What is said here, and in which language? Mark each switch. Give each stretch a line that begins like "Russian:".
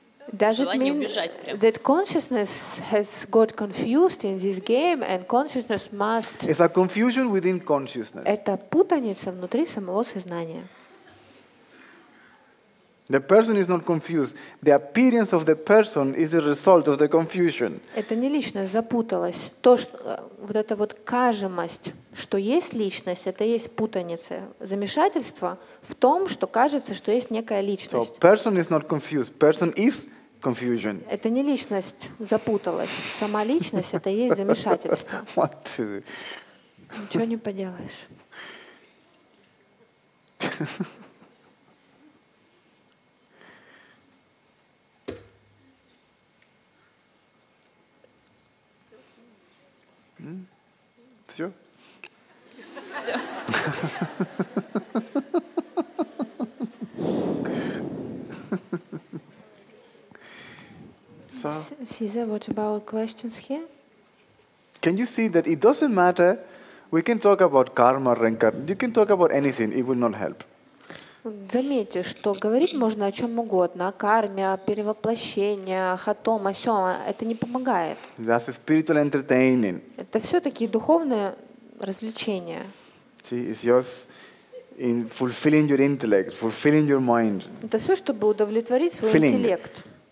English: That consciousness has got confused in this game, and consciousness must. It's a confusion within consciousness.
Russian: Это путаница внутри самого сознания.
English: The person is not confused. The appearance of the person is the result of the confusion.
Russian: Это не личность запуталась. То, что вот эта вот кажемость, что есть личность, это есть путаница, замешательство в том, что кажется, что есть некая личность.
English: So person is not confused. Person is confusion.
Russian: Это не личность запуталась. Сама личность — это есть замешательство.
English: What to do?
Russian: Ничего не поделаешь. Mm-hmm. все? Все.
English: So, Caesar, what about questions here? Can you see that it doesn't matter? We can talk about karma, reincarnation. You can talk about anything; it will not help.
Russian: Заметьте, что говорить можно о чем угодно: о карме, о перевоплощениях, о том, о сём. Это не помогает.
English: That's a spiritual entertaining.
Russian: Это все-таки духовное развлечение.
English: See, it's just in fulfilling your intellect, fulfilling your mind.
Russian: Это все, чтобы удовлетворить свой Filling. Интеллект.